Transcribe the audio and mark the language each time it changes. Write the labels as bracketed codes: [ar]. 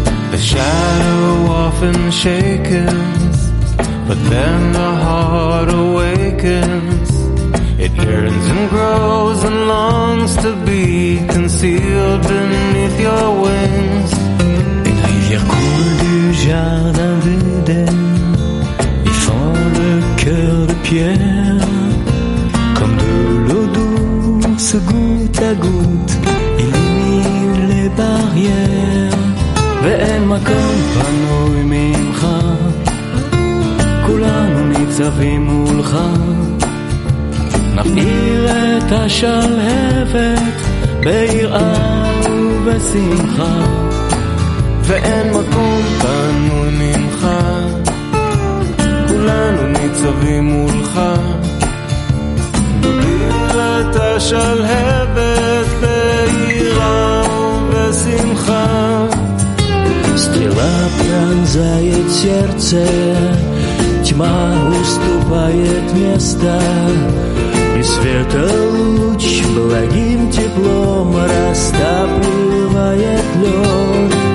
[en] The shadow often shakens, but then the heart awakens. It yearns and grows and longs to be concealed beneath your wings. [fr] Une rivière coule du jardin d'Eden, y fend le cœur de pierre. Comme de l'eau douce, goutte à goutte, illumine les barrières. [he] ואין מקום פנוי ממך, כולנו ניצבים מולך, נפעיל את השלהבת ביראה ובשמחה, ואין מקום פנוי ממך, כולנו ניצבים מולך. נפעיל את השלהבת ביראה ובשמחה. [ru] Стрела пронзает сердце, тьма уступает место, и света луч благим теплом растапливает лед.